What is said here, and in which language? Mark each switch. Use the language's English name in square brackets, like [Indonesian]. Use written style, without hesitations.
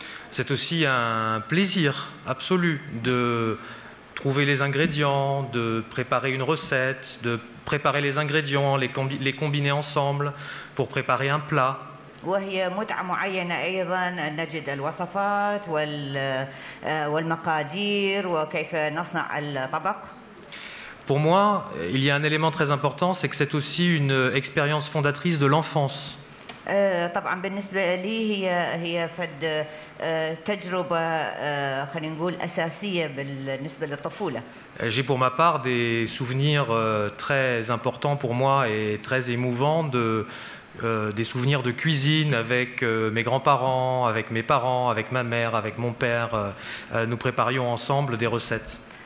[French] C'est aussi un plaisir absolu de trouver les ingrédients, de préparer une recette, de préparer les ingrédients, les combiner ensemble pour préparer un plat. [Arabic] وهي متعة معينة أيضا أن نجد الوصفات والمقادير وكيف نصنع الطبق. [French] Pour moi, il y a un élément très important, c'est que c'est aussi une expérience fondatrice de l'enfance. [Arabic] طبعا بالنسبة لي هي فد تجربة خلينا نقول أساسية بالنسبة للطفولة. [French] J'ai pour ma part des souvenirs très importants pour moi et très émouvants de des souvenirs de cuisine avec mes grands-parents, avec mes parents, avec ma mère, avec mon père. Nous préparions ensemble des recettes.